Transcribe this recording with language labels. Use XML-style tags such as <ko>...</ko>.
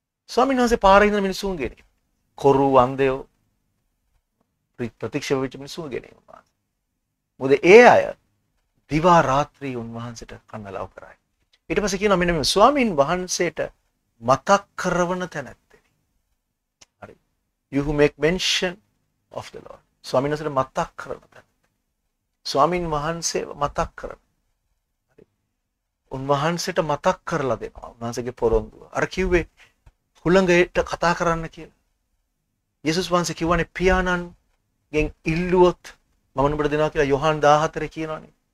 <si>ස්වාමින් වහන්සේ පාරේ ඉඳන මිනිස්සුන්ගෙන් කොරු වන්දයෝ ප්‍රතික්ෂේප වෙච්ච මිනිස්සුන්ගෙන් මොකද ඒ අය දිවා රාත්‍රී උන්වහන්සේට කන්නලව් කරයි. ඊට පස්සේ කියනවා මෙන්න මේ ස්වාමින් වහන්සේට මතක් කරවන තැනැත්තෙනි. හරි.</si> <en>You make mention of the Lord.</en> <si>ස්වාමින් වහන්සේට මතක් කරවන තැනැත්තෙනි. ස්වාමින් වහන්සේව මතක් කරන. හරි. උන්වහන්සේට මතක් කරලා දෙනවා. උන්වහන්සේගේ පොරොන්දුව. අර කිව්වේ හුළඟයට කතා කරන්න කියලා. යේසුස් වහන්සේ කිව්වනේ පියාණන්ගෙන් ඉල්ලුවොත් මම උඹට දෙනවා කියලා යොහාන් 14 කියනවනේ.</si>